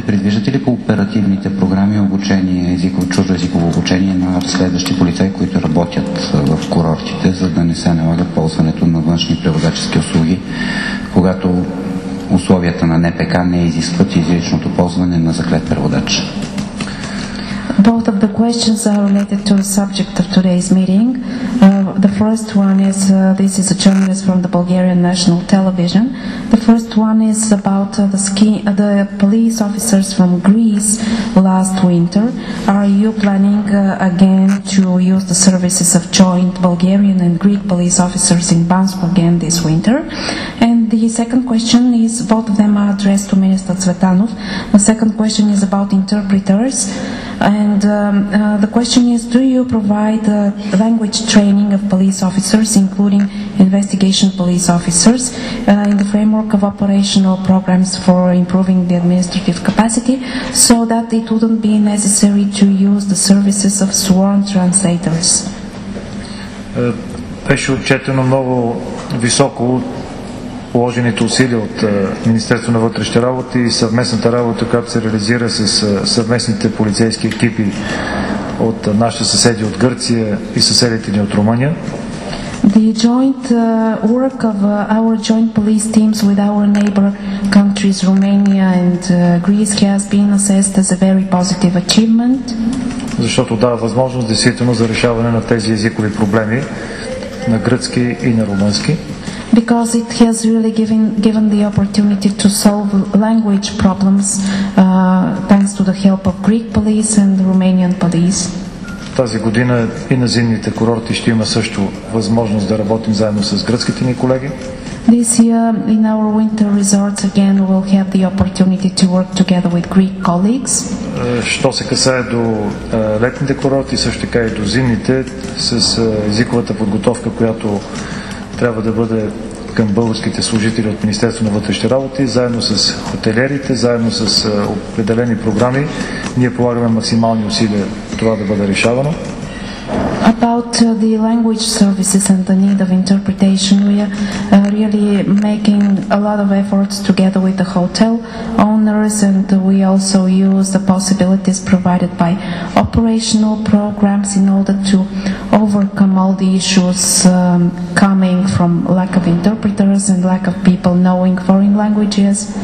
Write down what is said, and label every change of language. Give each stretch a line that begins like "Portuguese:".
Bulgarian: Предвиждате ли по оперативните програми обучение, чуждо езиково обучение на разследващи полицаи, които работят в курортите, за да не се налага ползването на външни преводачески услуги, когато условията на НПК не изискват изричното ползване на заклет преводач?
English: Both of the questions are related to the subject of today's meeting. The first one is, this is a journalist from the Bulgarian National Television. The first one is about the police officers from Greece last winter. Are you planning again to use the services of joint Bulgarian and Greek police officers in Banskoe again this winter? And the second question is, both of them are addressed to Minister Tsvetanov. The second question is about interpreters. And the question is, do you provide language training of police officers, including investigation police officers, in the framework of operational programs for improving the administrative capacity, so that it wouldn't be necessary to use the services of sworn translators?
Bulgarian: Беше отчетено много високо положените усилия от Министерство на вътрешните работи и съвместната работа, която се реализира с съвместните полицейски екипи от нашите съседи от Гърция и съседите ни от Румъния.
English: The joint work of our joint police teams with our neighbor countries Romania and Greece has been assessed as a very positive achievement.
Bulgarian: Защото дава възможност действително за решаване на тези езикови проблеми на гръцки и на румънски.
English: Because it has really given the opportunity to solve language problems thanks to the help of Greek police and Romanian police.
Bulgarian: Тази година и на зимните курорти ще има също възможност да работим заедно с гръцките ни колеги.
English: This year in our winter resorts again we'll have the opportunity to work together with Greek colleagues.
Bulgarian: Що се касае до летните курорти, също така и до зимните, с езиковата подготовка, която трябва да бъде към българските служители от Министерство на вътрешни работи, заедно с хотелиерите, заедно с определени програми. Ние полагаме максимални усилия това да бъде решавано.
English: About the language services and the need of interpretation, we are really making a lot of efforts together with the hotel owners, and we also use the possibilities provided by operational programs in order to overcome all the issues coming from lack of interpreters and lack of people knowing foreign languages.